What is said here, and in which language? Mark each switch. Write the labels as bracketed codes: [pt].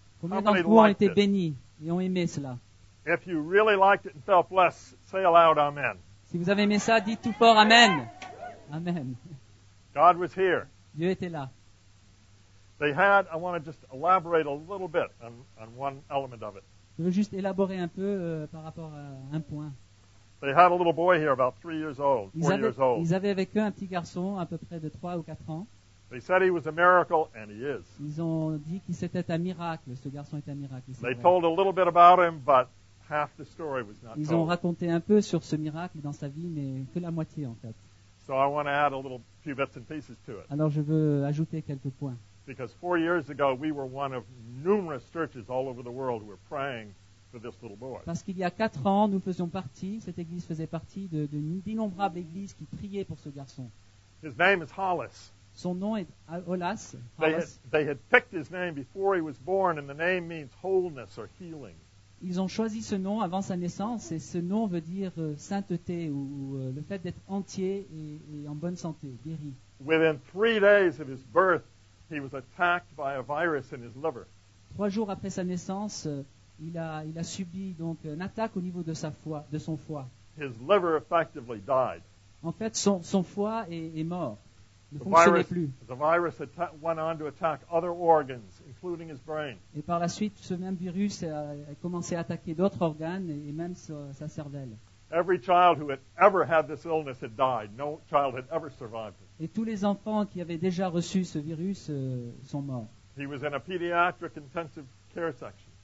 [fr] Combien d'entre vous ont été bénis et ont aimé cela? [en] If you really liked it and felt blessed, say aloud amen. [fr] Si vous avez aimé ça, dites tout fort amen. Amen. [en] God was here. [fr] Dieu était là. [en] They had, I want to just elaborate a little bit on one element of it. [fr] Je veux juste élaborer un peu par rapport à un point. [en] They had a little boy here about 3 years old, four years old. [fr] Ils avaient avec eux un petit garçon à peu près de 3 ou 4 ans. [en] They said he was a miracle, and he is. [fr] Ils ont dit qu'il était un miracle, ce garçon est un miracle. [en] They told a little bit about him, but half the story was not told. [fr] Ils ont raconté un peu sur ce miracle dans sa vie, mais que la moitié en fait. [en] So I want to add a little few bits and pieces to it. [fr] Alors je veux ajouter quelques points. [en] Because 4 years ago, we were one of numerous churches all over the world who were praying for this little boy. [fr] Parce qu'il y a 4 ans, nous faisions partie, cette église faisait partie de d'innombrables églises qui priaient pour ce garçon. [en] His name is Hollis. [fr] Son nom est Hollis. [en] They had picked his name before he was born, and the name means wholeness or healing. [fr] Ils ont choisi ce nom avant sa naissance, et ce nom veut dire sainteté ou le fait d'être entier et en bonne santé, guéri. [en] Within 3 days of his birth, he was attacked by a virus in his liver. [fr] 3 jours après sa naissance, il a subi donc une attaque au niveau de sa foie, de son foie. [en] His liver effectively died. [fr] En fait, son foie est mort. Ne fonctionnait plus. [en] The virus went on to attack other organs, including his brain. [fr] Et par la suite, ce même virus a commencé à attaquer d'autres organes et même sa cervelle. [en] Every child who had ever had this illness had died. No child had ever survived it. [fr] Et tous les enfants qui avaient déjà reçu ce virus sont morts. [en] He was in a pediatric intensive care section.